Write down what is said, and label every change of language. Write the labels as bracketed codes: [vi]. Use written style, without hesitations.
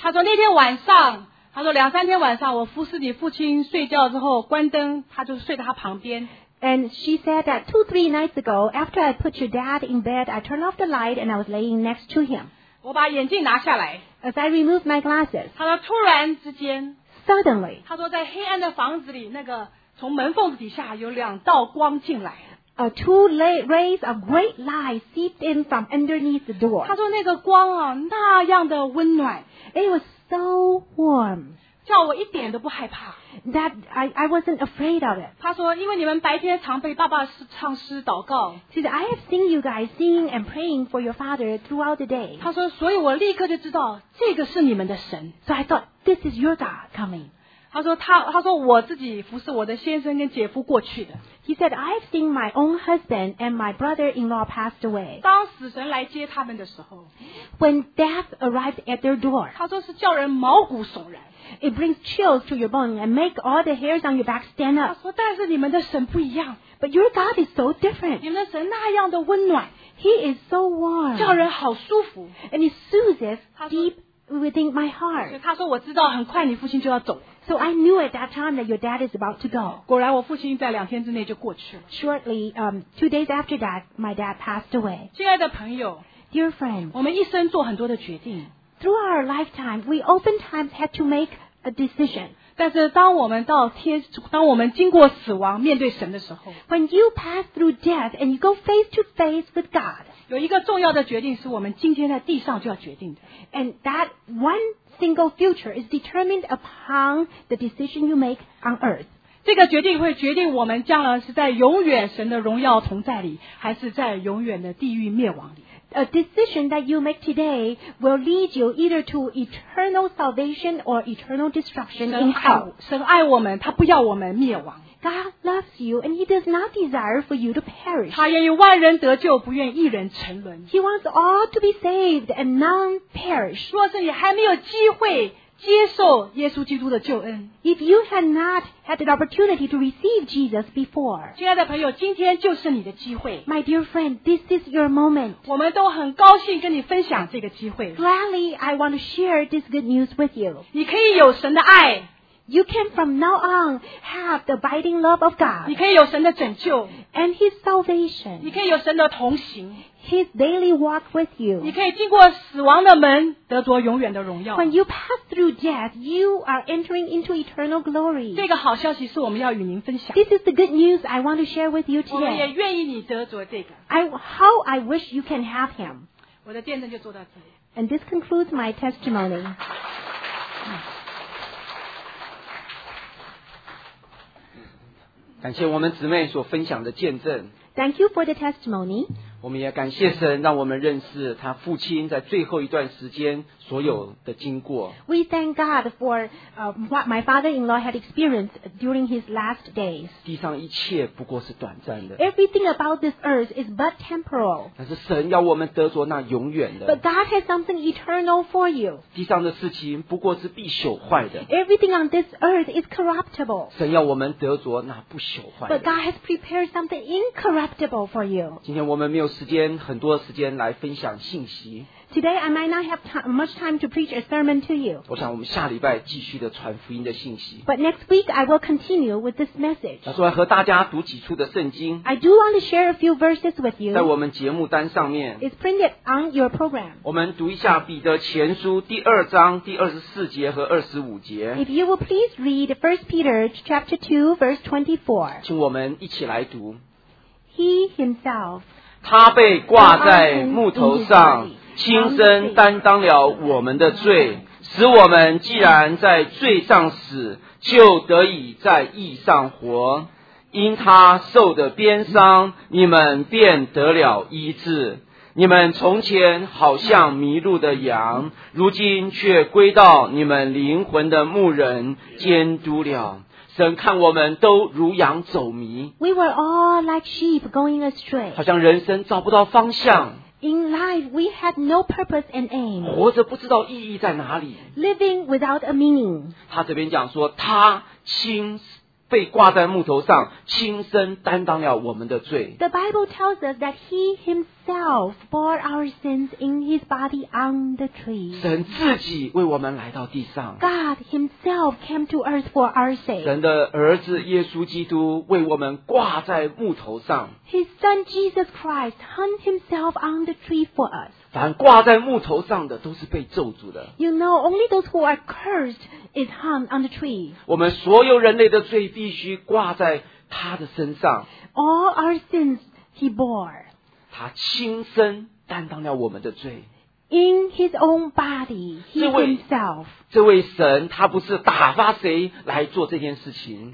[zh] 她说那天晚上他说两三天晚上我服侍你父亲睡觉之后关灯他就睡在他旁边。 [en] And she said that two, three nights ago, after I put your dad in bed, I turned off the light and I was laying next to him. [zh] 我把眼镜拿下来。 [en] As I removed my glasses. [zh] 他说突然之间。 [en] Suddenly. [zh] 他说在黑暗的房子里那个从门缝底下有两道光进来。 [en] Two rays of great light seeped in from underneath the door. [zh] 他说那个光啊那样的温暖。 [en] It was so warm. [zh] 叫我一点都不害怕。 [en] That I wasn't afraid of it. [zh] 他说因为你们白天常被爸爸唱诗祷告。 [en] She said, I have seen you guys singing and praying for your father throughout the day. [zh] 他说所以我立刻就知道这个是你们的神。 [en] So I thought, this is your God coming. [zh] 他说我自己服侍我的先生跟姐夫过去的。 [en] He said, I've seen my own husband and my brother-in-law passed away. [zh] 当死神来接他们的时候 [en] When death arrived at their door. [zh] 他说是叫人毛骨悚然。 [en] It brings chills to your bone and make all the hairs on your back stand up. [zh] 他说但是你们的神不一样。 [en] But your God is so different. [zh] 你们的神那样的温暖。 [en] He is so warm. [zh] 叫人好舒服。 [en] And it soothes deep within my heart. [zh] 他说我知道很快你父亲就要走。 [en] So I knew at that time that your dad is about to go. [zh] 果然我父亲在两天之内就过去了。 [en] Shortly, two days after that, my dad passed away. [zh] 亲爱的朋友 [en] Dear friend, [zh] 我们一生做很多的决定。 [en] Through our lifetime, we oftentimes had to make a decision. [zh] 但是当我们经过死亡面对神的时候 [en] When you pass through death and you go face to face with God, [zh] 有一个重要的决定是我们今天在地上就要决定的。 [en] And that one single future is determined upon the decision you make on earth. [zh] 这个决定会决定我们将来是在永远神的荣耀同在里，还是在永远的地狱灭亡里。 [en] A decision that you make today will lead you either to eternal salvation or eternal destruction in hell. [zh] 神爱我们，他不要我们灭亡。 [en] God loves you and he does not desire for you to perish. [zh] 他愿意万人得救，不愿一人沉沦。 [en] He wants all to be saved and none perish. [zh] 若是你还没有机会接受耶稣基督的救恩。 [en] If you had not had an opportunity to receive Jesus before. [zh] 亲爱的朋友，今天就是你的机会。 [en] My dear friend, this is your moment. [zh] 我们都很高兴跟你分享这个机会。 [en] Gladly, I want to share this good news with you. [zh] 你可以有神的爱。 [en] You can from now on have the abiding love of God. [zh] 你可以有神的拯救。 [en] And his salvation. [zh] 你可以有神的同行。 [en] His daily walk with you. [zh] 你可以经过死亡的门得着永远的荣耀。 [en] When you pass through death, you are entering into eternal glory. [zh] 这个好消息是我们要与您分享。 [en] This is the good news I want to share with you today. [zh] 我们也愿意你得着这个。 [en] How I wish you can have him. [zh] 我的见证就做到这里。 [en] And this concludes my testimony. [zh] 感谢我们姊妹所分享的见证。 [en] Thank you for the testimony. [zh] 我们也感谢神，让我们认识他父亲在最后一段时间所有的经过。 [en] We thank God for what my father-in-law had experienced during his last days. [zh] 地上一切不过是短暂的。 [en] Everything about this earth is but temporal. [zh] 但是神要我们得着那永远的。 [en] But God has something eternal for you. [zh] 地上的事情不过是必朽坏的。 [en] Everything on this earth is corruptible. [zh] 神要我们得着那不朽坏的。 [en] But God has prepared something incorruptible for you. [zh] 今天我们没有时间，很多时间来分享信息。 [en] Today I might not have much time to preach a sermon to you. [zh] 我想我们下礼拜继续的传福音的信息。 [en] But next week I will continue with this message. [zh] 那说来和大家读几处的圣经。 [en] I do want to share a few verses with you. [zh] 在我们节目单上面。 [en] It's printed on your program. [zh] 我们读一下彼得前书第二章第二十四节和二十五节。 [en] If you will please read 1 Peter chapter 2 verse 24. [zh] 请我们一起来读。 [en] He himself. [zh] 他被挂在木头上。亲身担当了我们的罪，使我们既然在罪上死，就得以在义上活。因他受的鞭伤，你们便得了医治。你们从前好像迷路的羊，如今却归到你们灵魂的牧人监督了。神看我们都如羊走迷。 [en] We were all like sheep going astray. [zh] 好像人生找不到方向。 [en] In life, we had no purpose and aim. [zh] 活着不知道意义在哪里。 [en] Living without a meaning. [zh] 他这边讲说，他亲被挂在木头上，亲身担当了我们的罪。 [en] The Bible tells us that he himself bore our sins in his body on the tree. [zh] 神自己为我们来到地上。 [en] God himself came to earth for our sake. [zh] 神的儿子耶稣基督为我们挂在木头上。 [en] His son Jesus Christ hung himself on the tree for us. [zh] 凡挂在木头上的都是被咒诅的。 [en] You know, only those who are cursed is hung on the tree. [zh] 我们所有人类的罪必须挂在他的身上。 [en] All our sins he bore. [zh] 他亲身担当了我们的罪。 [en] In his own body, he himself. [zh] 这位神他不是打发谁来做这件事情。